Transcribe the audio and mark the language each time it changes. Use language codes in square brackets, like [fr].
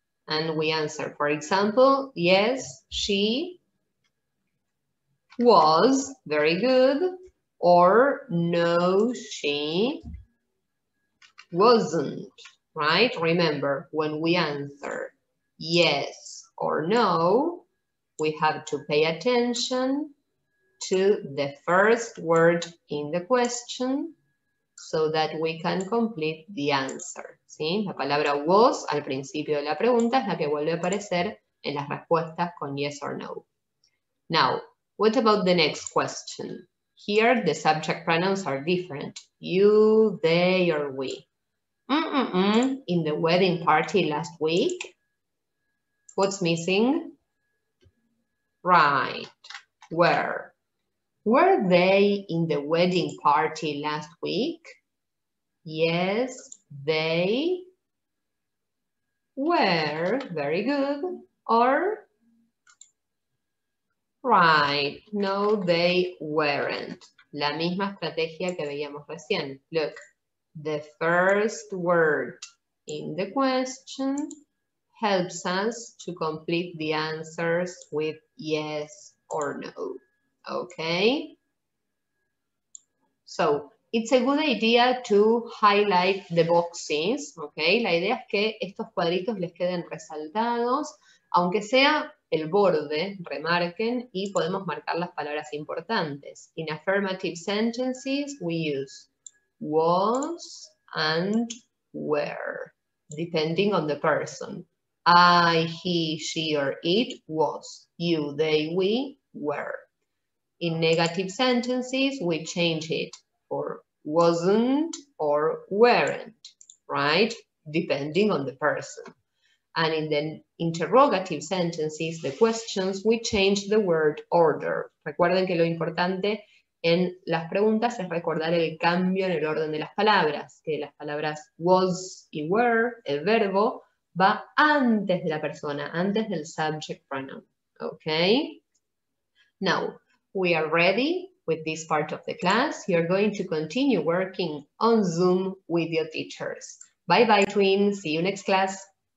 [en] And we answer, for example, yes, she was, very good, or no, she wasn't, right? Remember, when we answer yes or no, we have to pay attention to the first word in the question so that we can complete the answer, [es] ¿sí? La palabra was al principio de la pregunta es la que vuelve a aparecer en las respuestas con [en] yes or no. Now, what about the next question? Here, the subject pronouns are different. You, they, or we. In the wedding party last week, what's missing? Right. Where? Were they in the wedding party last week? Yes, they were. Very good. Or? Right, no, they weren't. [es] La misma estrategia que veíamos recién. [en] Look, the first word in the question helps us to complete the answers with yes or no. Okay? So, it's a good idea to highlight the boxes. Okay? [es] La idea es que estos cuadritos les queden resaltados, aunque sea el borde, remarquen, y podemos marcar las palabras importantes. [en] In affirmative sentences, we use was and were, depending on the person. I, he, she, or it was. You, they, we, were. In negative sentences, we change it for wasn't or weren't, right? Depending on the person. And in the interrogative sentences, the questions, we change the word order. [es] Recuerden que lo importante en las preguntas es recordar el cambio en el orden de las palabras, que las palabras was y were, el verbo, va antes de la persona, antes del subject pronoun. [en] Okay? Now, we are ready with this part of the class. You're going to continue working on Zoom with your teachers. Bye-bye, twins. See you next class.